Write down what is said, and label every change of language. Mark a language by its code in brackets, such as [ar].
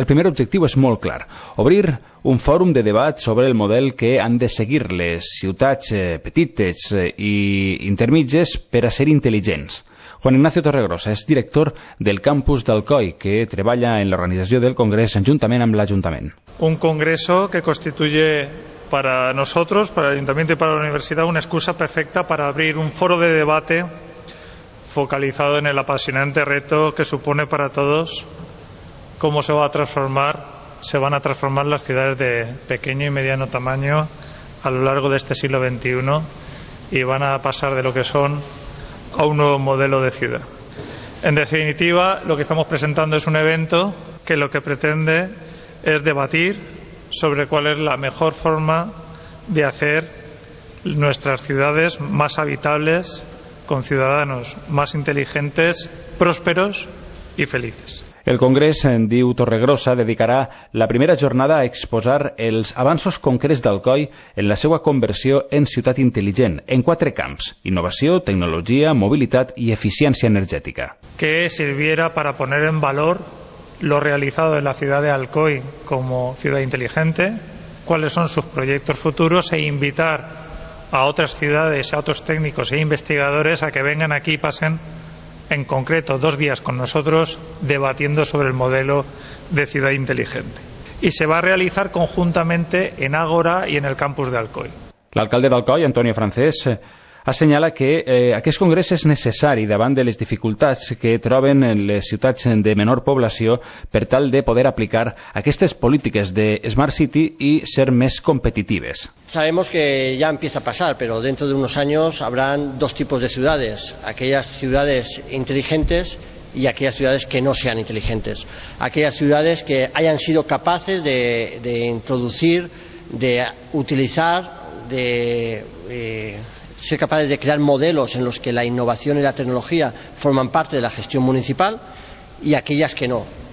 [ca] El primer objectiu és molt clar, obrir un fòrum de debat sobre el model que han de seguir les ciutats petites i intermitges per a ser intel·ligents. Juan Ignacio Torregrosa és director del campus del COI, que treballa en l'organització del congrés juntament amb l'Ajuntament. [es] Un congreso que constituye para nosotros, para el Ayuntamiento y para la Universidad, una excusa perfecta para abrir un foro de debate focalizado en el apasionante reto que supone para todos cómo se van a transformar las ciudades de pequeño y mediano tamaño a lo largo de este siglo XXI y van a pasar de lo que son a un nuevo modelo de ciudad. En definitiva, lo que estamos presentando es un evento que lo que pretende es debatir sobre cuál es la mejor forma de hacer nuestras ciudades más habitables, con ciudadanos más inteligentes, prósperos y felices. [ca] El Congrés, en diu Torregrosa, dedicarà la primera jornada a exposar els avanços concrets del COI en la seva conversió en ciutat intel·ligent, en quatre camps: innovació, tecnologia, mobilitat i eficiència energètica. [es] Que sirviera para poner en valor lo realizado en la ciudad de Alcoy como ciudad inteligente, cuáles son sus proyectos futuros e invitar a otras ciudades, a otros técnicos e investigadores a que vengan aquí y pasen en concreto dos días con nosotros debatiendo sobre el modelo de ciudad inteligente. Y se va a realizar conjuntamente en Ágora y en el campus de Alcoy. [ca] L'alcalde d'Alcoy, Antonio Francés, assenyala que aquest congrés és necessari davant de les dificultats que troben les ciutats de menor població per tal de poder aplicar aquestes polítiques de Smart City i ser més competitives. [es] Sabemos que ya empieza a pasar, pero dentro de unos años habrán dos tipos de ciudades, aquellas ciudades inteligentes y aquellas ciudades que no sean inteligentes, aquellas ciudades que hayan sido capaces de introducir, de utilizar, de ser capaces de crear modelos en los que la innovación y la tecnología forman parte de la gestión municipal y aquellas que no.